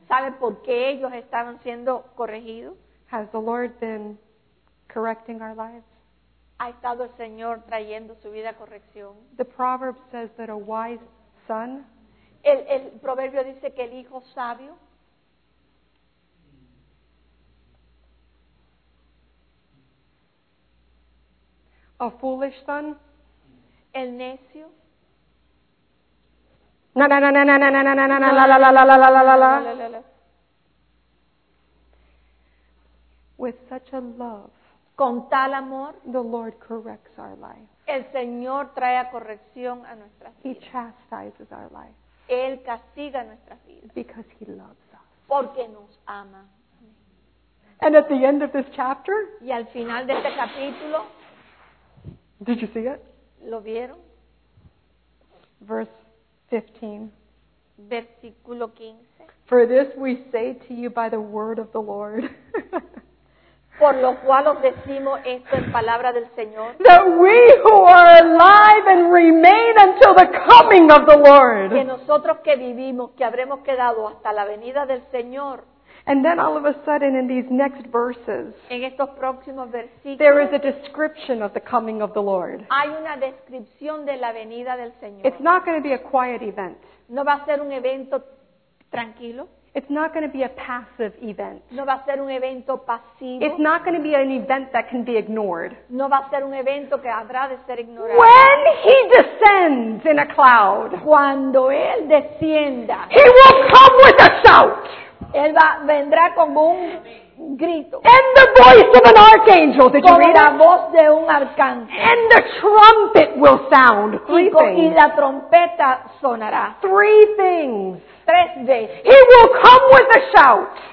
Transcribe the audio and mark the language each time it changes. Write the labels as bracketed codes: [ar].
[es] ¿Saben por qué ellos estaban siendo corregidos? [en] Has the Lord been correcting our lives? [es] Ha estado el Señor trayendo su vida a corrección. [en] The proverb says that a wise son, [es] el proverbio dice que el hijo sabio, [en] a foolish son, [es] el necio, na na na na na na na na na na na la la la la la la la la la, [en] with such a love, [es] con tal amor, [en] the Lord corrects our life. [es] El Señor trae a corrección a nuestras vidas. [en] He chastises our life. [es] Él castiga nuestras vidas. [en] Because he loves us. [es] Porque nos ama. [en] And at the end of this chapter, [es] y al final de este capítulo, [en] did you see it? [es] ¿Lo vieron? [en] Verse 15. [es] Versículo 15. [en] For this we say to you by the word of the Lord. [es] Por lo cual os decimos esto en palabra del Señor. [en] That we who are alive and remain until the coming of the Lord. [es] Que nosotros que vivimos, que habremos quedado hasta la venida del Señor. [en] And then all of a sudden in these next verses, [es] en estos próximos versículos, [en] there is a description of the coming of the Lord. [es] Hay una descripción de la venida del Señor. [en] It's not going to be a quiet event. [es] No va a ser un evento tranquilo. [en] It's not going to be a passive event. [es] No va a ser un evento pasivo. [en] It's not going to be an event that can be ignored. [es] No va a ser un evento que habrá de ser ignorado. [en] When he descends in a cloud, [es] cuando él descienda, [en] he will come with a shout. [es] Él va, vendrá con un grito. [en] And the voice of an archangel. Did you read [es] la voz de un arcángel. [en] And the trumpet will sound. [es] Y la trompeta sonará. [en] Three things. [es] Tres veces. [en] He will come with a shout.